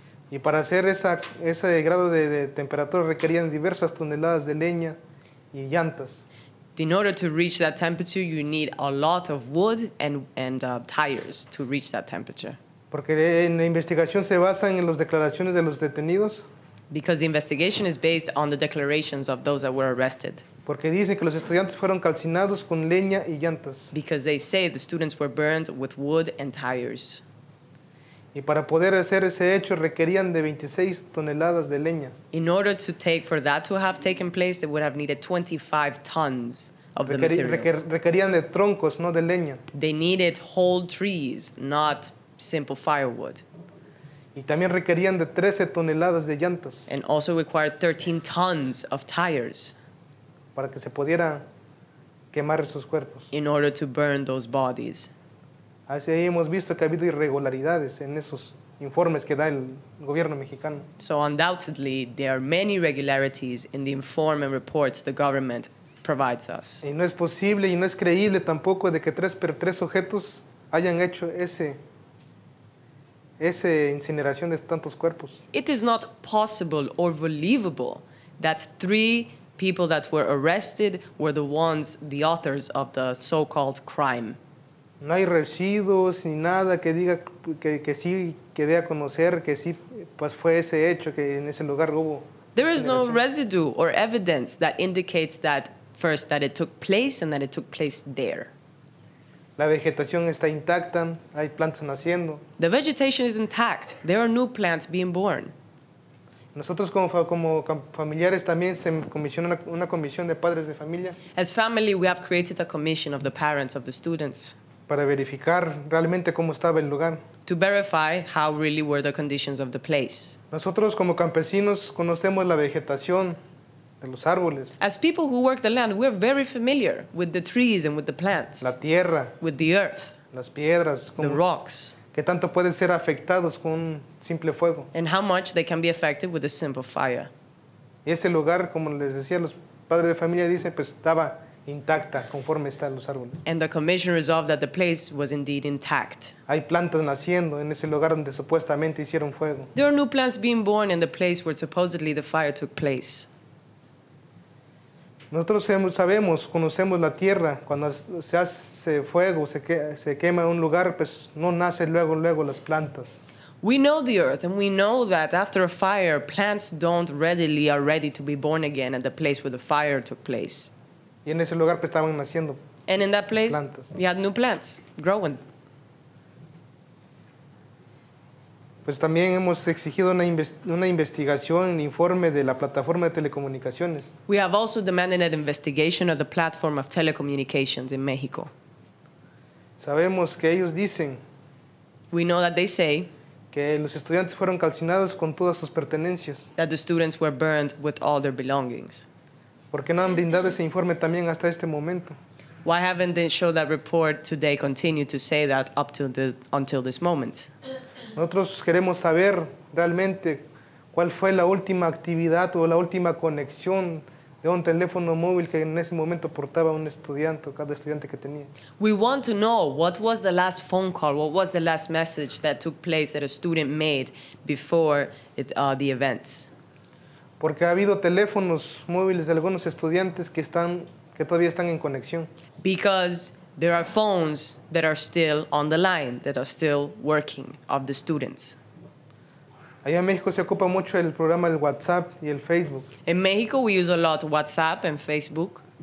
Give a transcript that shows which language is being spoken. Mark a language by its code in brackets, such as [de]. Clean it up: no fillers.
[es] Y para hacer ese grado de temperatura requerían diversas toneladas de leña y llantas. [en] In order to reach that temperature, you need a lot of wood and tires to reach that temperature. [es] Porque en la investigación se basan en las declaraciones de los detenidos. [en] Because the investigation is based on the declarations of those that were arrested. [es] Porque dicen que los estudiantes fueron calcinados con leña y llantas. [en] Because they say the students were burned with wood and tires. [es] Y para poder hacer ese hecho requerían de 26 toneladas de leña. [en] In order to take for that to have taken place, they would have needed 25 tons of the materials. [es] Requerían de troncos, no de leña. [en] They needed whole trees, not simple firewood. [es] Y también requerían de 13 toneladas de llantas. [en] And also required 13 tons of tires. [es] Para que se pudiera quemar esos cuerpos. [en] In order to burn those bodies. [es] Así hemos visto que ha habido irregularidades en esos informes que da el gobierno mexicano. [en] So undoubtedly, there are many irregularities in the informe and reports the government provides us. [es] Y no es posible y no es creíble tampoco de que tres sujetos hayan hecho ese incineración de tantos cuerpos. [en] It is not possible or believable that three people that were arrested were the ones, the authors of the so-called crime. [es] No hay residuos ni nada que diga que sí que dé a conocer que sí pues fue ese hecho que en ese lugar hubo. [en] There is no residue or evidence that indicates that first that it took place and that it took place there. [es] La vegetación está intacta, hay plantas naciendo. [en] The vegetation is intact. There are new plants being born. [es] Nosotros como familiares también se comisionó una comisión de padres de familia. [en] As family, we have created a commission of the parents of the students. [es] Para verificar realmente cómo estaba el lugar. [en] To verify how really were the conditions of the place. [es] Nosotros como campesinos conocemos la vegetación de los árboles. [en] As people who work the land, we're very familiar with the trees and with the plants. [es] La tierra. [en] With the earth. [es] Las piedras. [en] The rocks. [es] Qué tanto pueden ser afectados con un simple fuego. [en] And how much they can be affected with a simple fire. [es] Y ese lugar, como les decía, los padres de familia dicen, pues estaba intacta conforme están los árboles. [en] And the commission resolved that the place was indeed intact. [es] Hay plantas naciendo en ese lugar donde supuestamente hicieron fuego. [en] There are new plants being born in the place where supposedly the fire took place. [es] Nosotros sabemos, conocemos la tierra. Cuando se hace fuego, se quema un lugar, pues no nace luego las plantas. [en] We know the earth, and we know that after a fire, plants don't readily are ready to be born again at the place where the fire took place. [es] Y en ese lugar pues estaban naciendo. [en] And in that place, we had new plants growing. [es] Pues también hemos exigido una investigación, un informe de la plataforma de telecomunicaciones. [en] We have also demanded an investigation of the platform of telecommunications in Mexico. [es] Sabemos que ellos dicen. [en] We know that they say. [es] Que los estudiantes fueron calcinados con todas sus pertenencias. [en] That the students were burned with all their belongings. [es] ¿Por qué no han brindado ese informe también hasta este momento? [en] Why haven't they showed that report today continued to say that up to the, until this moment? [es] Nosotros queremos saber realmente cuál fue la última actividad o la última conexión de un teléfono móvil que en ese momento portaba un estudiante o cada estudiante que tenía. [en] We want to know what was the last phone call, what was the last message that took place that a student made before it, the events. [es] Porque ha habido teléfonos móviles de algunos estudiantes que todavía están en conexión. [en] Because there are phones that are still on the line, that are still working, of the students. [es] Allá en México se ocupa mucho el programa el WhatsApp y el Facebook. [en] In Mexico we use a lot WhatsApp and Facebook.